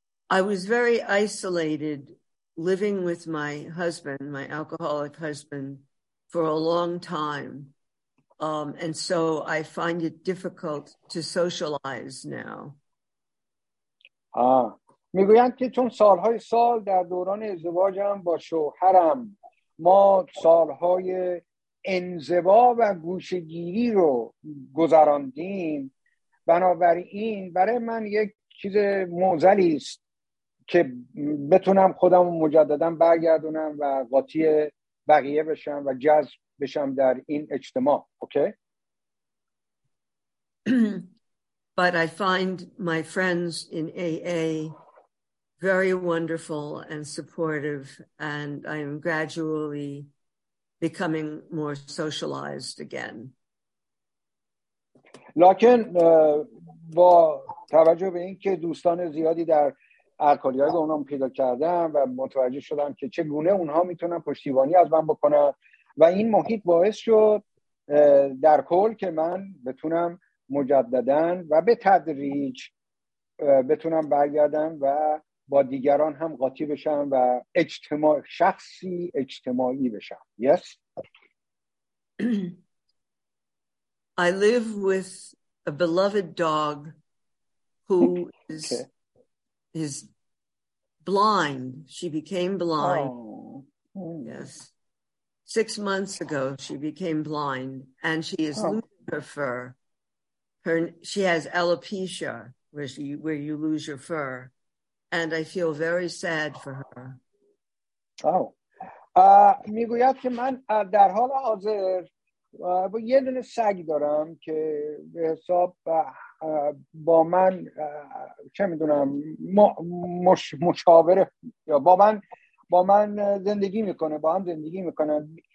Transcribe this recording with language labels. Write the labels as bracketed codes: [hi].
[en] I was very isolated living with my husband, my alcoholic husband, for a long time. And so I find it difficult to socialize now. [fa] میگویند که چون سالهای سال در دوران ازدواجم با شوهرم ما سالهای انزوا و گوشه‌گیری رو گذراندیم، بنابراین برای من یک چیز موزلی است که بتونم خودم مجددا برگردونم و قاطی بقیه بشم و جذب بشم در این اجتماع. [en] But I find my friends in AA very wonderful and supportive and I am gradually becoming more socialized again. [fa] لکن با توجه به این که دوستان زیادی در الکلی‌های گمنام پیدا کردم و متوجه شدم که چه گونه اونها میتونن پشتیبانی از من بکنن و این محیط باعث شد در کل که من بتونم مجدداً و به تدریج بتونم برگردم و با دیگران هم قاطی بشم و اجتماع شخصی اجتماعی بشم. [en] Yes. I live with a beloved dog who is is blind. She became blind. Oh. Yes. 6 months ago she became blind and she is losing her fur. She has alopecia, where you lose your fur, and I feel very sad for her. [fa] میگوید که من در حال حاضر با یه دونه سگ دارم که به حساب با من چه میدونم مشاوره یا با من زندگی میکنه، با هم زندگی میکنن.